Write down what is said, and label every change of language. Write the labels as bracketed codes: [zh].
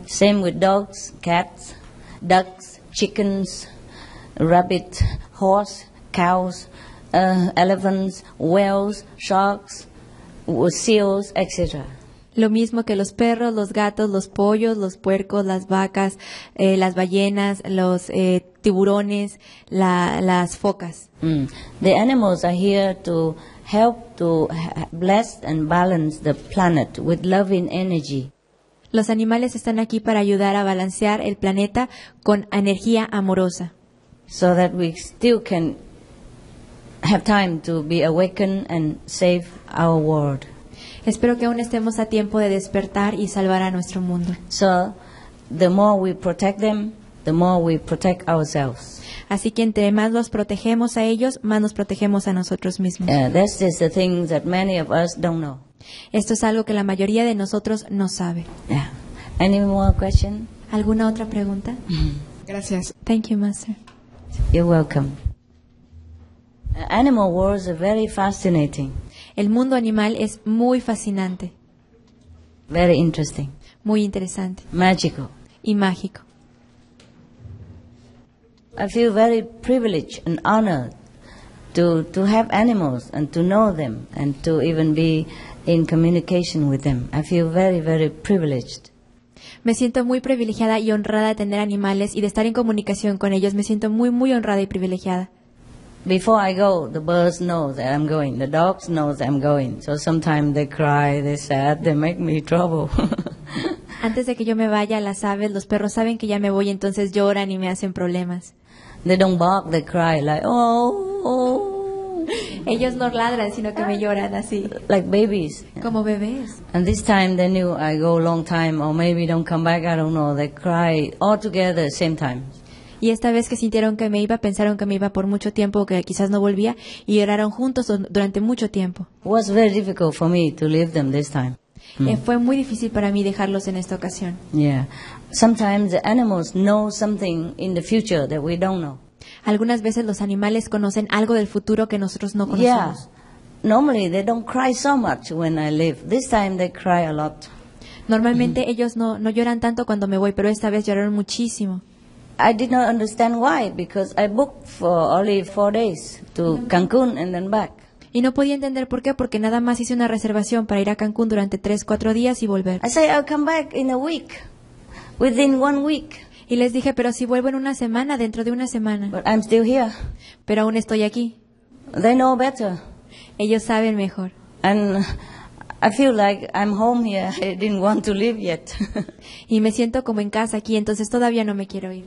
[en] Same with dogs, cats, ducks, chickens, rabbit, horse, cows, elephants, whales, sharks, seals, etc. [es] Lo mismo que los perros, los gatos, los pollos, los puercos, las vacas, las ballenas, los tiburones, las focas. Mm. [en] The animals are here to help to bless and balance the planet with loving energy. [es] Los animales están aquí para ayudar a balancear el planeta con energía amorosa. [en] So that we still can have time to be awakened and save our world. [es] Espero que aún estemos a tiempo de despertar y salvar a nuestro mundo. [en] So, the more we protect them, the more we protect ourselves. [es] Así que entre más los protegemos a ellos, más nos protegemos a nosotros mismos. [en] This is the thing that many of us don't know. [es] Esto es algo que la mayoría de nosotros no sabe. [en] Yeah. Any more question? [es] ¿Alguna otra pregunta? Gracias. [en] Thank you, Master. You're welcome. Animal worlds are very fascinating. [es] El mundo animal es muy fascinante. [en] Very interesting. [es] Muy interesante. [en] Magical. [es] Y mágico. [en] I feel very privileged and honored to have animals and to know them and to even be in communication with them. I feel very, very privileged. [es] Me siento muy privilegiada y honrada de tener animales y de estar en comunicación con ellos. Me siento muy, muy honrada y privilegiada. [en] Before I go, the birds know that I'm going. The dogs know that I'm going. So sometimes they cry, they're sad, they make me trouble. [es] Antes de que yo me vaya, las aves, los perros saben que ya me voy, entonces lloran y me hacen problemas. [en] They don't bark, they cry like, oh. [es] Ellos no ladran, sino que me lloran así. [en] Like babies. [es] Como bebés. [en] And this time they knew I go a long time or maybe don't come back, I don't know. They cry all together at the same time. [es] Y esta vez que sintieron que me iba, pensaron que me iba por mucho tiempo, que quizás no volvía, y lloraron juntos durante mucho tiempo. [en] It was very difficult for me to leave them this time. [es] Fue muy difícil para mí dejarlos en esta ocasión. [en] Yeah. Sometimes the animals know something in the future that we don't know. [es] Algunas veces los animales conocen algo del futuro que nosotros no conocemos. [en] Yeah. Normally they don't cry so much when I leave. This time they cry a lot. [es] Normalmente ellos no lloran tanto cuando me voy, pero esta vez lloraron muchísimo. [en] I did not understand why, because I booked for only 4 days to Cancun and then back. [es] Y no podía entender por qué, porque nada más hice una reservación para ir a Cancún durante 3-4 días y volver. [en] I said, I'll come back in a week, within 1 week. [es] Y les dije, pero si vuelvo en una semana, dentro de una semana. [en] But I'm still here. [es] Pero aún estoy aquí. [en] They know better. [es] Ellos saben mejor. [en] And I feel like I'm home here. I didn't want to leave yet. [es] Y me siento como en casa aquí, entonces todavía no me quiero ir.